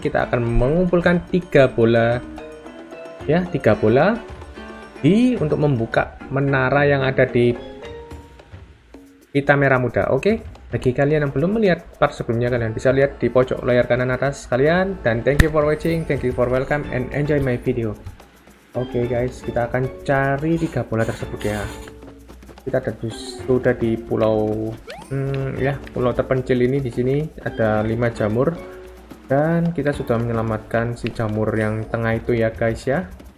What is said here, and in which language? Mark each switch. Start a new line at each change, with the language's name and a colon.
Indonesian: Kita akan mengumpulkan 3 bola. Ya, 3 bola di untuk membuka menara yang ada di Pita Merah Muda. Oke. Bagi kalian yang belum melihat part sebelumnya, kalian bisa lihat di pojok layar kanan atas kalian.
English: Dan thank you for watching, thank you for welcome, and enjoy my video.
Indonesian: Oke, guys, kita akan cari 3 bola tersebut ya. Kita sudah di pulau pulau terpencil ini. Di sini ada 5 jamur dan kita sudah menyelamatkan si jamur yang tengah itu ya guys ya.